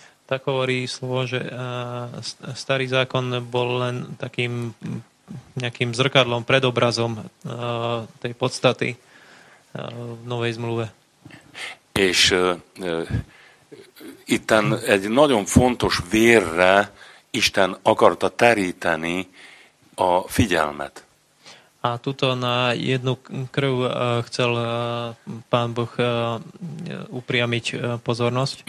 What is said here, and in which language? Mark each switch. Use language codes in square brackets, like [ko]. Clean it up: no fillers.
[sk] Tak hovorí slovo, že starý zákon bol len takým nejakým zrkadlom, predobrazom tej podstaty v novej zmluve. [hu] És itten egy nagyon fontos vérre Isten akarta teríteni a figyelmet. [sk] A tuto na jednu krv chcel Pán Boh upriamiť pozornosť.